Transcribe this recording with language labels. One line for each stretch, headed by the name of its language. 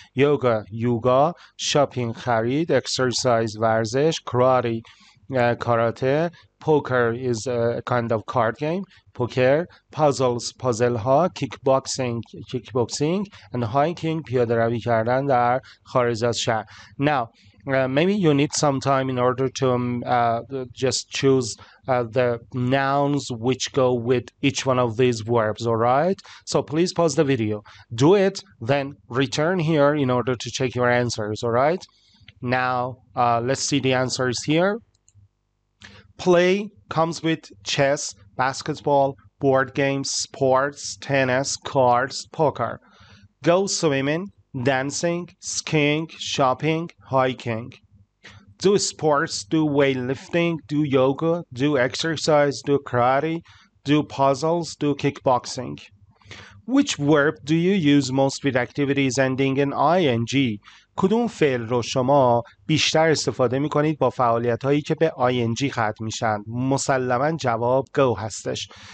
English: Yoga, یوگا. Shopping,
Persian: خرید.
English: Exercise,
Persian: ورزش.
English: Karate, کاراته. Poker is a kind of card game. Poker. Puzzles, پازل ها. Kickboxing. And hiking,
Persian: پیاده روی کردن در خارج از شهر.
English: Now, maybe you need some time in order to just choose the nouns which go with each one of these verbs, all right? So please pause the video. Do it, then return here in order to check your answers, all right? Now, let's see the answers here. Play comes with chess, basketball, board games, sports, tennis, cards, poker. Go swimming. Dancing, skiing, shopping, hiking. Do sports, do weightlifting, do yoga, do exercise, do karate, do puzzles, do kickboxing. Which verb do you use most with activities ending in ing?
Persian: کدوم فعل رو شما بیشتر استفاده می کنید با فعالیت هایی که به ing ختم می شند؟ مسلماً جواب go هستش.